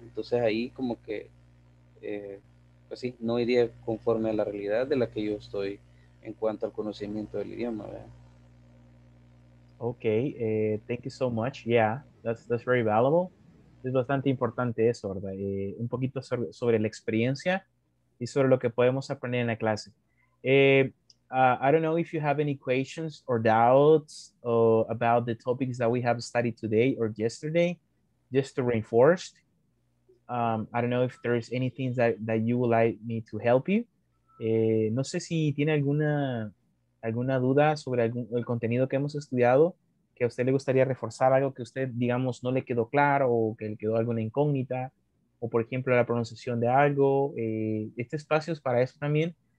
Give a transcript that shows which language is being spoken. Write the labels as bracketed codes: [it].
[es] Entonces ahí como que, pues sí, no iría conforme a la realidad de la que yo estoy en cuanto al conocimiento del idioma, ¿verdad? [en] Okay, thank you so much. Yeah, that's very valuable. [es] Es bastante importante eso, ¿verdad? Un poquito sobre la experiencia y sobre lo que podemos aprender en la clase. [en] I don't know if you have any questions or doubts about the topics that we have studied today or yesterday, just to reinforce. I don't know if there's anything that you would like me to help you. [es] No sé si tiene alguna duda sobre el contenido que hemos estudiado, que a usted le gustaría reforzar, algo que usted, digamos, no le quedó claro o que le quedó alguna incógnita, o por ejemplo la pronunciación de algo. Este espacio es para eso también,